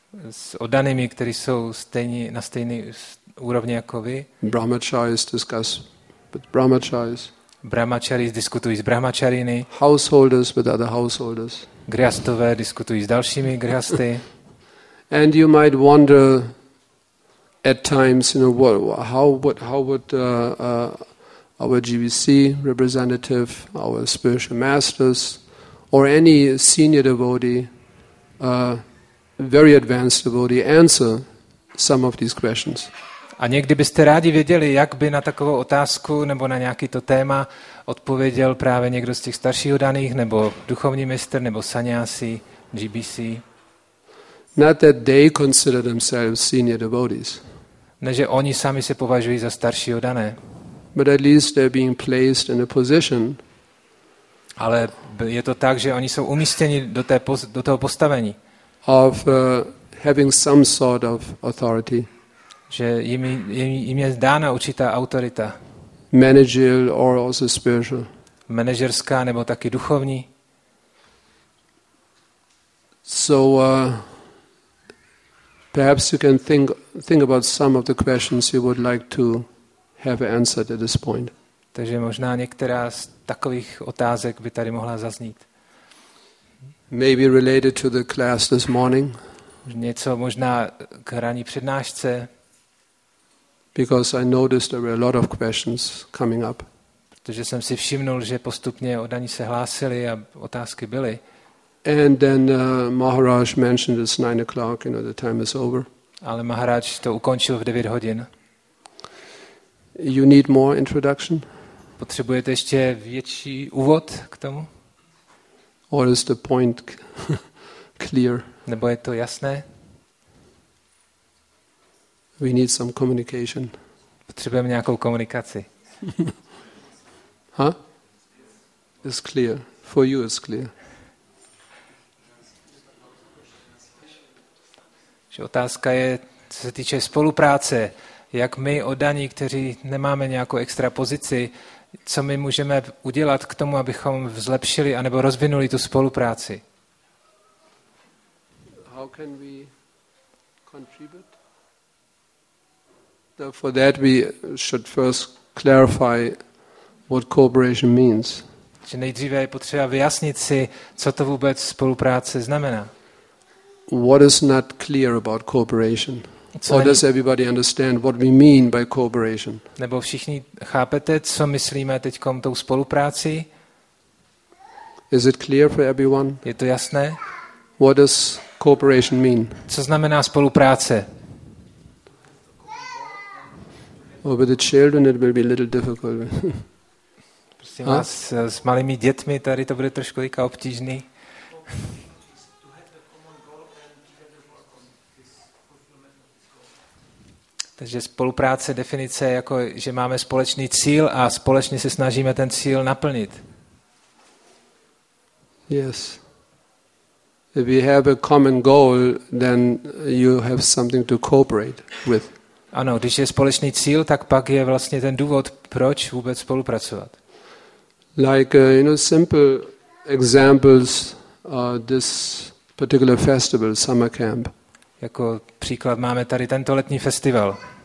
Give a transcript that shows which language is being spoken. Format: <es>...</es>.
<cs>S oddanými, kteří jsou stejní na stejné úrovni jako vy.</cs> <en>Brahmacharis discuss with brahmacharis.</en> <cs>Brahmacharis diskutují s brahmacharini.</cs> <en>Householders with other householders.</en> <cs>Grihastové diskutují s dalšími grihasty.</cs> <en>And you might wonder at times, how would our GBC representative, our spiritual masters, or any senior devotee, very advanced devotee, answer some of these questions.</en> <cs>A někdy byste rádi věděli, jak by na takovou otázku nebo na nějaký to téma odpověděl právě někdo z těch starších oddaných, nebo duchovní mistr, nebo sannyasi, GBC.</cs> <en>Not that they consider themselves senior devotees.</en> <cs>Ne, že oni sami se považují za starší oddané.</cs> <en>But at least they're being placed in a position.</en> <cs>Ale je to tak, že oni jsou umístěni do toho postavení.</cs> <en>Of having some sort of authority.</en> <cs>Že jim je dána určitá autorita.</cs> <en>Managerial or also spiritual.</en> <cs>Manažerská nebo taky duchovní.</cs> <en>So perhaps you can think about some of the questions you would like to have answered at this point.</en> <cs>Takže možná některá z takových otázek by tady mohla zaznít.</cs> <en>Maybe related to the class this morning.</en> <cs>Něco možná k ranní přednášce.</cs> <en>Because I noticed there were a lot of questions coming up.</en> <cs>Protože jsem si všimnul, že postupně oddaní se hlásili a otázky byly.</cs> <en>And then Maharaj mentioned it's 9 o'clock, the time is over.</en> <cs>Ale Maharaj to ukončil v 9 hodin.</cs> <en>You need more introduction?</en> <cs>Potřebujete ještě větší úvod k tomu?</cs> <en>Or is the point clear?</en> <cs>Nebo je to jasné?</cs> <en>We need some communication.</en> <cs>Potřebujeme nějakou komunikaci.</cs> <en>Huh? It's clear. For you it's clear.</en> <cs>Že otázka je, co se týče spolupráce, jak my oddaní, kteří nemáme nějakou extra pozici, co my můžeme udělat k tomu, abychom zlepšili anebo rozvinuli tu spolupráci.</cs> <en>How can we contribute? For that we should first clarify what cooperation means.</en> <cs>Že nejdříve je potřeba vyjasnit si, co to vůbec spolupráce znamená.</cs> <en>What is not clear about cooperation? Or does everybody understand what we mean by cooperation?</en> <cs>Nebo všichni chápete, co myslíme teďkom tou spolupráci?</cs> <en>Is it clear for everyone?</en> <cs>Je to jasné?</cs> <en>What does cooperation mean?</en> <cs>Co znamená spolupráce?</cs> <en>Oh, with the children it will be a little difficult.</en> <cs>Prosím vás, s malými dětmi tady to bude trošku jako obtížný. Takže spolupráce, definice jako, že máme společný cíl a společně se snažíme ten cíl naplnit.</cs> <en>Yes. If you have a common goal, then you have something to cooperate with.</en> <cs>Ano, když je společný cíl, tak pak je vlastně ten důvod, proč vůbec spolupracovat.</cs> <en>Like you know, simple examples this particular festival, summer camp.</en> <cs>Jako příklad máme tady tento letní festival.</cs>